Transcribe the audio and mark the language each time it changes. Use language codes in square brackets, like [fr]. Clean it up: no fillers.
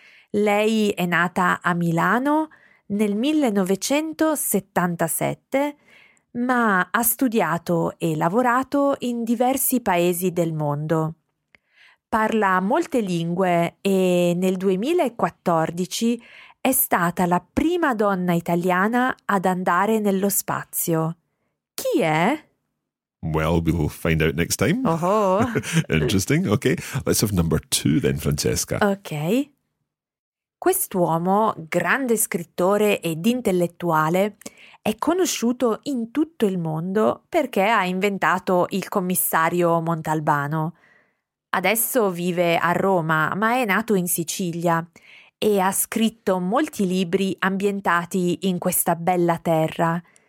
[it] Lei è nata a Milano nel 1977, ma ha studiato e lavorato in diversi paesi del mondo. Parla molte lingue e nel 2014 è stata la prima donna italiana ad andare nello spazio. Chi è? [en] Well, we'll find out next time. Oh. Interesting. Okay, let's have number two then, Francesca. Okay. [it] Quest'uomo, grande scrittore ed intellettuale, è conosciuto in tutto il mondo perché ha inventato il commissario Montalbano. Adesso vive a Roma, ma è nato in Sicilia e ha scritto molti libri ambientati in questa bella terra.